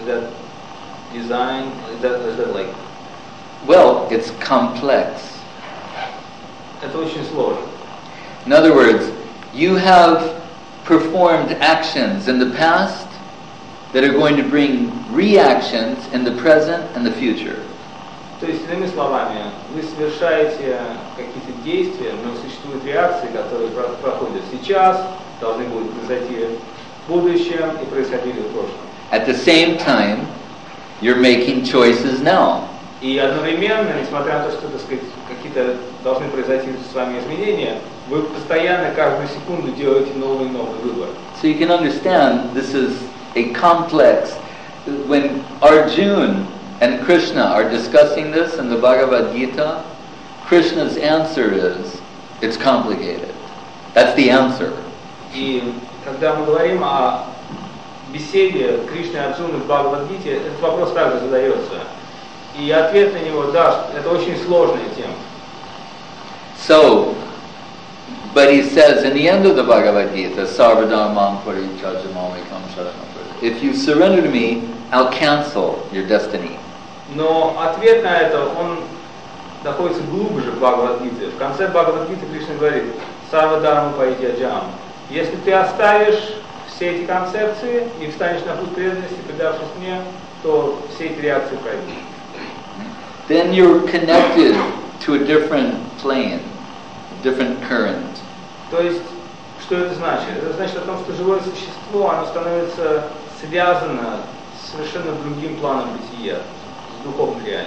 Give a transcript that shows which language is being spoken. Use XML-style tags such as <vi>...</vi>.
<en>Is that design? Is that like. Well, it's complex.</en> <ru>Это очень сложно.</ru> <en>In other words, you have performed actions in the past that are going to bring reactions in the present and the future.</en> <ru>То есть, иными словами, вы совершаете какие-то действия, но существуют реакции, которые проходят сейчас, должны будут произойти в будущем и происходили в прошлом.</ru> <en>At the same time, you're making choices now.</en> <ru>И одновременно, несмотря на то, что, так сказать, какие-то должны произойти с вами изменения, вы постоянно, каждую секунду делаете новый и новый выбор.</ru> <en>So you can understand, this is a complex. When Arjuna and Krishna are discussing this in the Bhagavad Gita, Krishna's answer is, it's complicated. That's the answer.</en> <ru>И когда мы говорим о беседе Кришны и Арджуны в Бхагавад Гите, этот вопрос также задается. И ответ на него, да, это очень сложная тема.</ru> <en>So, but he says in the end of the Bhagavad Gita,</en> <sa>Sarvadharmam Parityajamamekam Sharanam Vraja.</sa> <en>If you surrender to me, I'll cancel your destiny.</en> <ru>Но ответ на это, он находится глубже в Бхагавад Гите. В конце Бхагавад Гиты Кришна говорит,</ru> <sa>Sarvadharmam Parityajam.</sa> <ru>Если ты оставишь все эти концепции и встанешь на путь преданности, предавшись мне, то все эти реакции пройдут.</ru> <en>Then you're connected to a different plane, a different current.</en> <ru>То есть, что это значит? Это значит о том, что живое существо, оно становится связано с совершенно другим планом бытия, с духовной</ru>